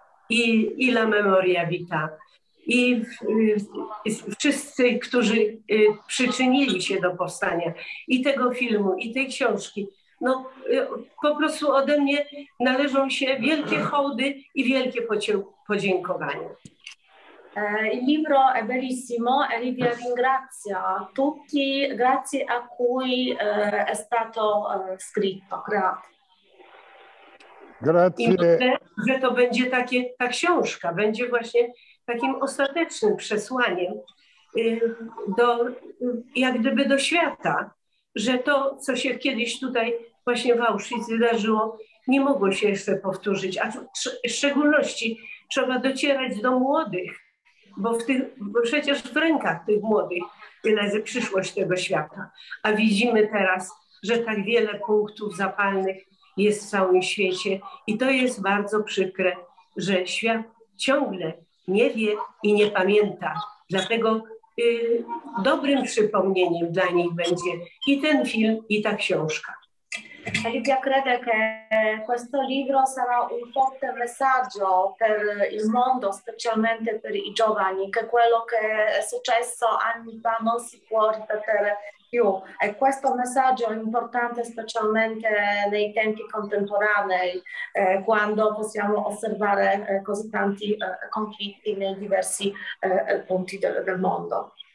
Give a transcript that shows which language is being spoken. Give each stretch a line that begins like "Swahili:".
Polish: I la memoria vita. I wszyscy, którzy przyczynili się do powstania i tego filmu, i tej książki, no po prostu ode mnie należą się wielkie hołdy i wielkie podziękowania.
Italian: Il libro è bellissimo e Lidia ringrazia tutti, grazie a cui è stato scritto, creato. Grazie.
Polish: I myślę, że to będzie takie, ta książka będzie właśnie takim ostatecznym przesłaniem do, jak gdyby do świata, że to, co się kiedyś tutaj właśnie w Auschwitz wydarzyło, nie mogło się jeszcze powtórzyć, a w szczególności trzeba docierać do młodych, bo przecież w rękach tych młodych leży przyszłość tego świata, a widzimy teraz, że tak wiele punktów zapalnych jest w całym świecie i to jest bardzo przykre, że świat ciągle nie wie i nie pamięta. Dlatego dobrym przypomnieniem dla nich będzie i ten film, i ta książka.
Italian: Lidia crede che questo libro sarà un forte messaggio per il mondo, specialmente per i giovani, che quello che è successo anni fa non si può ripetere più. E questo messaggio è importante specialmente nei tempi contemporanei, quando possiamo osservare così tanti conflitti nei diversi punti del mondo.